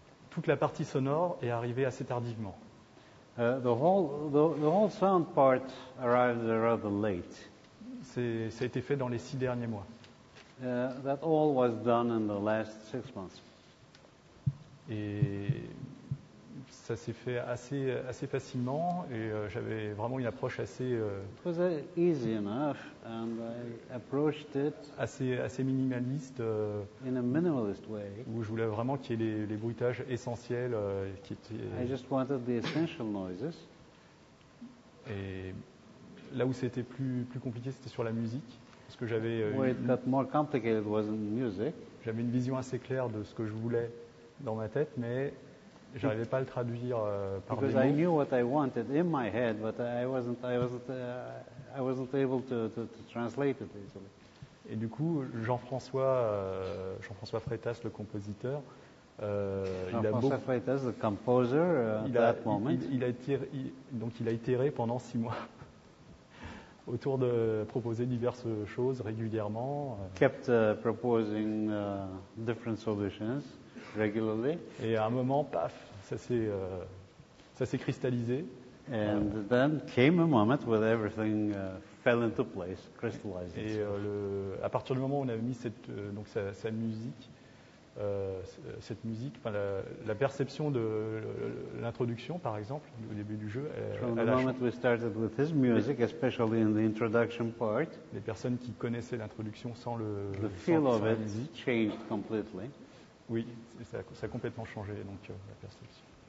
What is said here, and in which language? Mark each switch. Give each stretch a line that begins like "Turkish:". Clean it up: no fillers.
French: Toute la partie sonore est arrivée assez tardivement.
English: The whole sound part arrived rather late.
French: Ça a été fait dans les 6 derniers mois.
English: That all was done in the last 6 months.
French: Et ça s'est fait assez facilement et j'avais vraiment une approche assez
English: easy enough and I approached it
French: assez minimaliste
English: in a minimalist way
French: où je voulais vraiment qu'il y ait les bruitages essentiels qui étaient
English: I just wanted the essential noises
French: et là où c'était plus compliqué c'était sur la musique parce que j'avais
English: where it got more complicated was in music
French: j'avais une vision assez claire de ce que je voulais dans ma tête, mais je n'arrivais pas à le traduire par
English: because
French: des mots.
English: I knew what I wanted in my head, but I wasn't able to translate it easily.
French: Et du coup, Jean-François Freitas, le compositeur, il a itéré pendant 6 mois autour de proposer diverses choses régulièrement.
English: Kept proposing different solutions. Regularly.
French: Et à un moment, paf, ça s'est cristallisé.
English: And then came a moment where everything fell into place, crystallized.
French: Et à partir du moment où on avait mis cette musique, enfin la perception de l'introduction, par exemple, au début du jeu.
English: From the moment we started with his music, especially in the introduction part.
French: Les personnes qui connaissaient l'introduction sans le.
English: The feel of it changed completely.
French: Oui, ça a complètement changé donc la perception.